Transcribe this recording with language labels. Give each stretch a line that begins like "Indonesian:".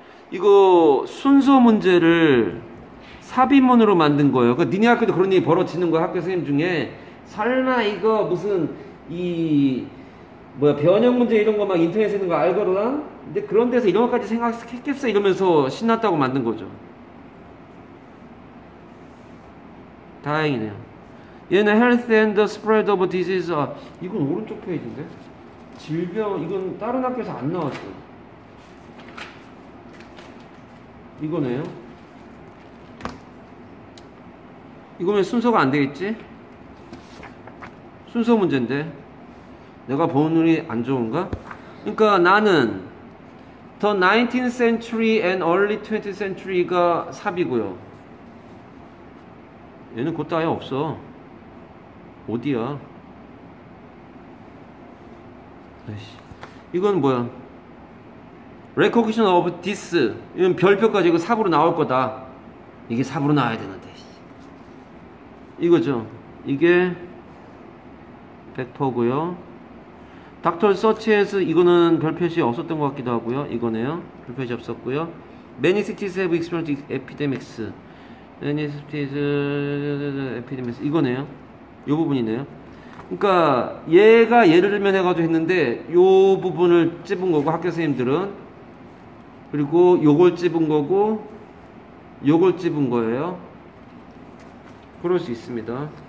Korean: 이거 순서 문제를 삽입문으로 만든 거예요. 그러니까 니네 학교도 그런 일이 벌어지는 거야. 학교 선생님 중에 설마 이거 무슨 이 뭐야 변형 문제 이런 거 막 인터넷에 있는 거 알거라? 근데 그런 데서 이런 것까지 생각했겠어? 이러면서 신났다고 만든 거죠. 다행이네요. 얘는 Health and the Spread of Disease. 아, 이건 오른쪽 페이지인데? 질병, 이건 다른 학교에서 안 나왔어요. 이거네요. 이거면 순서가 안 되겠지? 순서 문제인데. 내가 보는 눈이 안 좋은가? 그러니까 나는
English: The 19th century and early 20th century가 삽이고요.
Korean: 얘는 곧 다 아예 없어. 어디야? 아이씨. 이건 뭐야?
English: Recognition of this.
Korean: 이건 별표까지 이거 삽으로 나올 거다. 이게 삽으로 나와야 되는데. 이거죠. 이게 100%고요. Dr. Searches, 이거는 별 표시 없었던 것 같기도 하고요. 이거네요. 별 표시 없었고요.
English: Many cities have experienced epidemics. Many cities epidemics.
Korean: 이거네요. 요 부분이네요. 그러니까 얘가 예를 들면 해가지고 했는데 요 부분을 찝은 거고 학교 선생님들은 그리고 요걸 찝은 거고 요걸 찝은 거예요. 그럴 수 있습니다.